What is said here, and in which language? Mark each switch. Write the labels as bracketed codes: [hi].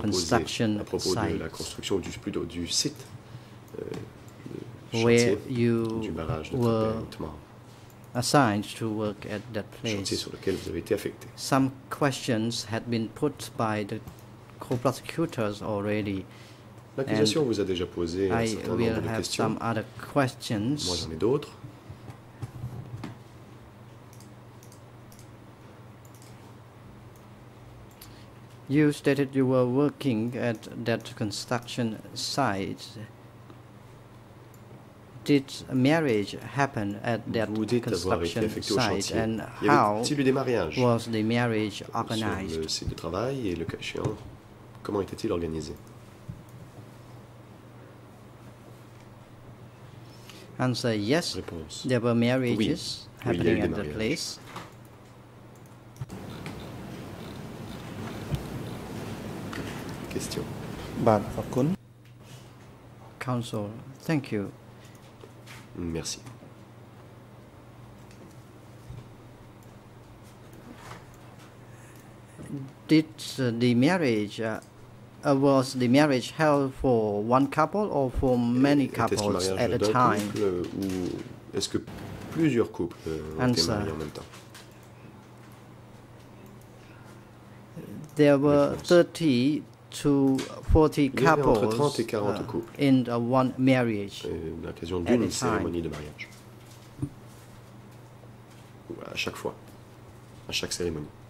[en] construction site. Where you were assigned to work at that place. [fr] Sur lequel vous avez été affecté. [en] Some questions had been put by the co-prosecutors already. [fr] L'accusation vous a déjà posé un certain nombre de questions. [en] I will have some other questions. [fr] Moi, j'en ai d'autres. [en] You stated you were working at that construction site. Did marriage happen at that construction site, and how was the marriage organized? [fr] Sur le site de travail et le cachet, comment était-il organisé? [en] Answer: yes. [fr] Réponse. [en] There were marriages happening at the place. Question. [fr] Bon. [en] Counsel, thank you. [fr] Merci. [en] Did the marriage was the marriage held for one couple or for many couples at a time? [fr] Est-ce que plusieurs couples ont été mariés en même temps? [en] There were 30 to 40 couples in the one marriage [fr] l'occasion d'une cérémonie de mariage. À chaque fois, à chaque cérémonie.